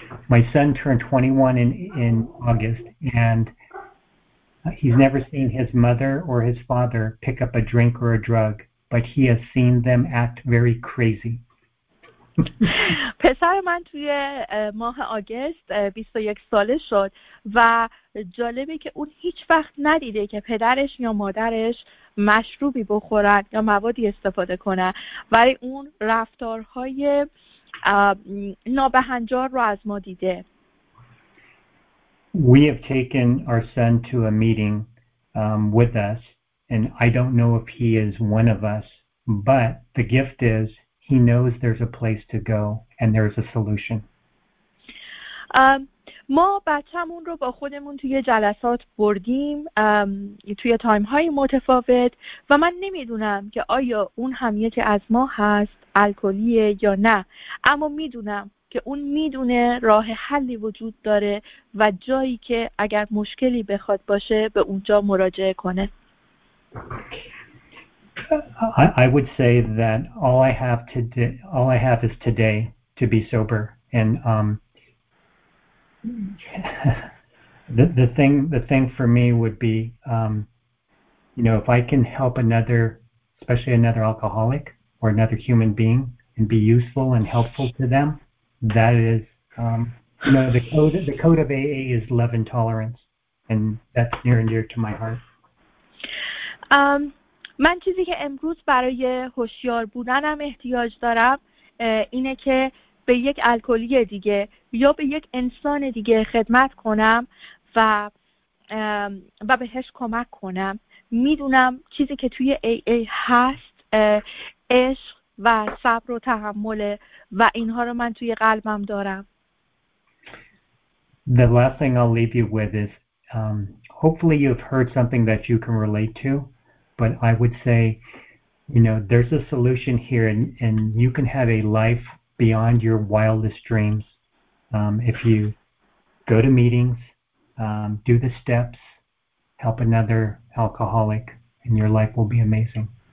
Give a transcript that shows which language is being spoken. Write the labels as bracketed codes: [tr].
[en] My son turned 21 in August and he's never seen his mother or his father pick up a drink or a drug. But he has seen them act very crazy. [fa] پسر من توی ماه آگست 21 ساله شد و جالبه که اون هیچ وقت ندیده که پدرش یا مادرش مشروبی بخورن یا موادی استفاده کنن، ولی اون رفتارهای نابهنجار رو از ما دیده. [en] We have taken our son to a meeting with us. And I don't know if he is one of us, but the gift is he knows there's a place to go and there's a solution. [fa] ما بچه‌مون رو با خودمون توی جلسات بردیم توی تایم‌های متفاوت و من نمی‌دونم که آیا اون هم یکی از ما هست، الکلیه یا نه، اما می‌دونم که اون می‌دونه راه حلی وجود داره و جایی که اگر مشکلی بخواد باشه به اونجا مراجعه کنه. [en] I would say that all I have is today to be sober, and the thing for me would be if I can help another, especially another alcoholic or another human being, and be useful and helpful to them, that is the code of AA is love and tolerance, and that's near and dear to my heart. [fa] من چیزی که امروز برای هوشیار بودنم احتیاج دارم اینه که به یک الکلی دیگه یا به یک انسان دیگه خدمت کنم و بهش کمک کنم. میدونم چیزی که توی AA هست عشق و صبر و تحمل و اینها رو من توی قلبم دارم. [en] The last thing I'll leave you with is hopefully you've heard something that you can relate to. But I would say, there's a solution here, and you can have a life beyond your wildest dreams if you go to meetings, do the steps, help another alcoholic, and your life will be amazing.